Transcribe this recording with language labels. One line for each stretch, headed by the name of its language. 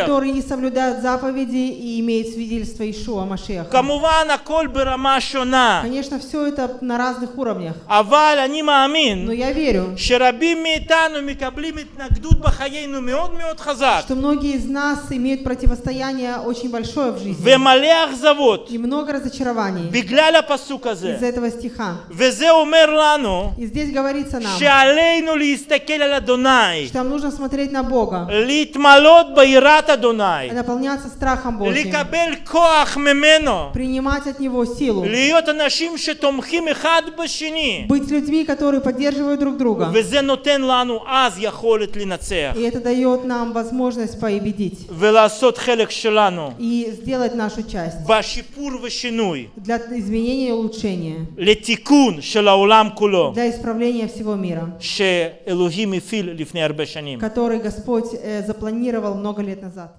Russian: Которые соблюдают заповеди и имеют свидетельство Иешуа Машеха. Конечно, все это на разных уровнях.
Hebrew: אבל אני מאמין,
Russian: но я верю,
Hebrew: שרבים מאיתנו מקבלים התנגדות בחיינו מאוד מאוד חזק.
Russian: Что многие из нас имеют противостояние очень большое в жизни.
Hebrew: ומלא אכזבות.
Russian: И много разочарований.
Hebrew: בגלל הפסוק הזה.
Russian: Из этого стиха.
Hebrew: וזה אומר לנו.
Russian: И здесь говорится нам.
Hebrew: שעלינו להסתכל על אדוני.
Russian: Что нужно смотреть на Бога.
Hebrew: להתמלות ביראת אדוני.
Russian: Наполняться страхом Божьим.
Hebrew: לקבל כוח ממנו.
Russian: Принимать от него силу.
Hebrew: להיות אנשים שתומכים אחד בשני.
Russian: Быть людьми, которые поддерживают друг друга.
Hebrew: וזה נותן לנו אז יכולת לנצח.
Russian: И это дает нам возможность победить.
Hebrew: ולעשות חלק שלנו.
Russian: И сделать нашу часть.
Hebrew: בשיפור ושינוי.
Russian: Для изменения и улучшения.
Hebrew: לתיקון של העולם כולו.
Russian: Для исправления всего мира.
Hebrew: שאלוהים הפעיל לפני הרבה שנים.
Russian: Который Господь запланировал много лет назад.